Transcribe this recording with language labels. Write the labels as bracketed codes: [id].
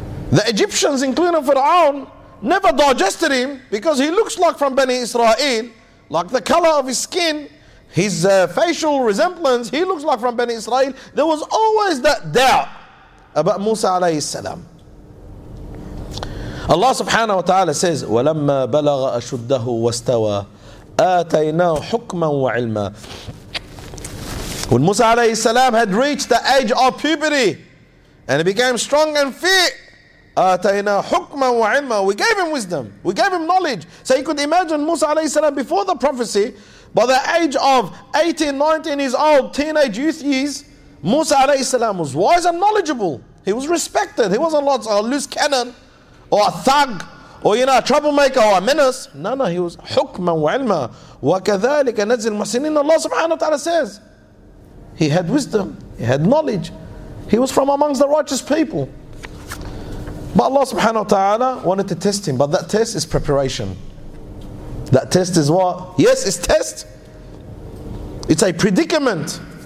[en] The Egyptians, including Fir'aun, never digested him because he looks like from Bani Israel, like the color of his skin, his facial resemblance, he looks like from Bani Israel. There was always that doubt about Musa alayhi salam. Allah subhanahu wa ta'ala says, [ar] وَلَمَّا بَلَغَ أَشُدَّهُ وَاسْتَوَى آتَيْنَاهُ حُكْمًا وَعِلْمًا. [en] When Musa alayhi salam had reached the age of puberty and he became strong and fit, [ar] آتَيْنَا حُكْمًا وَعِلْمًا, [en] we gave him wisdom, we gave him knowledge. So you could imagine Musa alayhi salam before the prophecy, by the age of 18, 19 years old, teenage youth years, Musa alayhi salam was wise and knowledgeable. He was respected. He wasn't a loose cannon or a thug or a troublemaker or a menace. No, he was [ar] حُكْمًا وَعِلْمًا وَكَذَلِكَ نَزِّلْ الْمُحْسِنِينَ. [en] Allah subhanahu wa ta'ala says, he had wisdom, he had knowledge. He was from amongst the righteous people. But Allah subhanahu wa ta'ala wanted to test him. But that test is preparation. That test is what? Yes, it's test. It's a predicament.